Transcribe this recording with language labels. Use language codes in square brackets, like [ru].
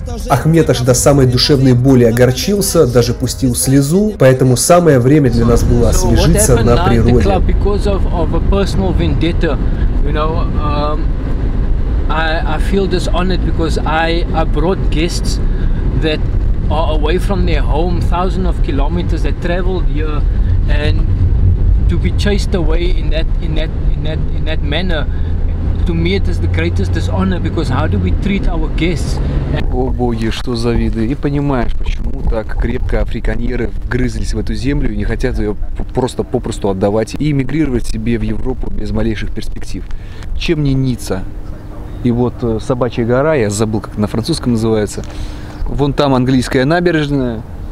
[ru] Ахмед аж до самой душевной боли огорчился, даже пустил слезу, поэтому самое время для нас было освежиться на природе. [en] To be chased away in that manner, to me it is the greatest dishonor because how do we treat our guests? [ru] О боги, что за виды! И понимаешь, почему так крепко африканеры вгрызлись в эту землю и не хотят ее просто попросту отдавать и эмигрировать себе в Европу без малейших перспектив? Чем не Ницца? И вот Собачья гора, я забыл, как на французском называется. Вон там английская набережная.